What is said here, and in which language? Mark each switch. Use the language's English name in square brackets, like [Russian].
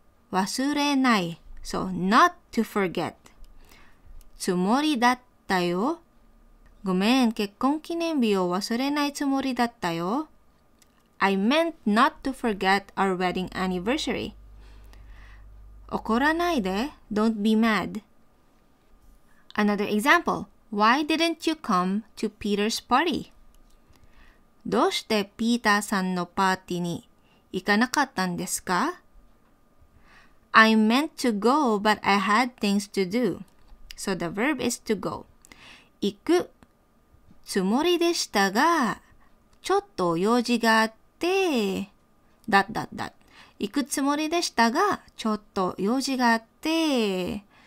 [Japanese] 忘れない [English] So not to forget [Japanese] つもりだったよごめん結婚記念日を忘れないつもりだったよ [English] I meant not to forget our wedding anniversary [Japanese] 怒らないで [English] Don't be mad Another example Why didn't you come to Peter's party? [Japanese] どうしてピーターさんのパーティーに行かなかったんですか? [English] I meant to go, but I had things to do. So the verb is to go. [Japanese] 行くつもりでしたが、ちょっと用事があって、行くつもりでしたが、ちょっと用事があって。